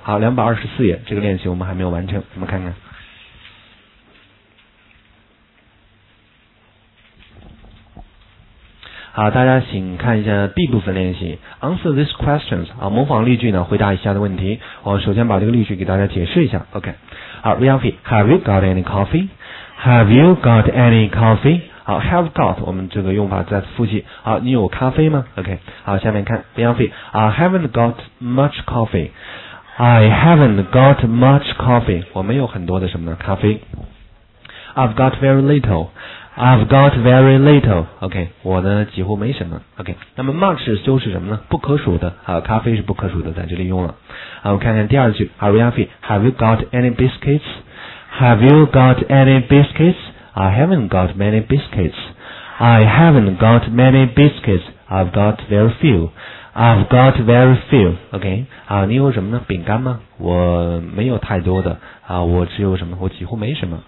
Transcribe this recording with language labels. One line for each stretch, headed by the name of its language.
Chinese: 好 ,224 页这个练习我们还没有完成我们看看。好大家请看一下 B 部分练习。
English: Answer these questions,
Chinese: 好模仿例句呢回答一下的问题。我首先把这个例句给大家解释一下。
English: Okay, 好 ,Ralphie, have you got any coffee? Have you got any coffee?
Chinese: 好 ,have got, 我们这个用法再复习。好你有咖啡吗 ?OK, 好下面看 ,
English: Ralphie, I haven't got much coffee. I haven't got much coffee.
Chinese: 我没有很多的什么呢咖啡。
English: I've got very little. I've got very little.
Chinese: OK, 我呢几乎没什么。 OK, 那么 much 就是什么呢不可数的。好咖啡是不可数的在这里用了。好我看看第二句。
English: 好 ,Ralphie, have you got any biscuits? Have you got any biscuits? I haven't got many biscuits. I haven't got many biscuits. I've got very few. I've got very few. Okay.
Chinese: 你有什么呢饼干吗我没有太多的。我只有什么我几乎没什么。